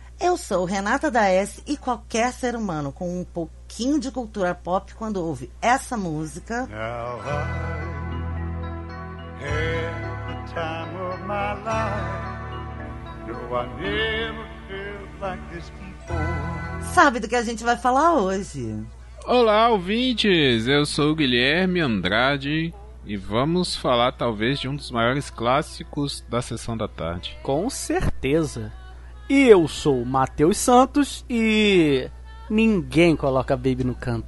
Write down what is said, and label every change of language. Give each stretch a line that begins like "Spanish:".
Portuguese: Eu sou Renata da S e qualquer ser humano com um pouquinho de cultura pop, quando ouve essa música.
English: Now I had the time of my life. No, I never felt like this before.
Portuguese: Sabe do que a gente vai falar hoje? Olá, ouvintes! Eu sou o Guilherme Andrade. E vamos falar talvez de um dos maiores clássicos da Sessão da Tarde. Com certeza. E eu sou o Matheus Santos e ninguém coloca Baby no canto.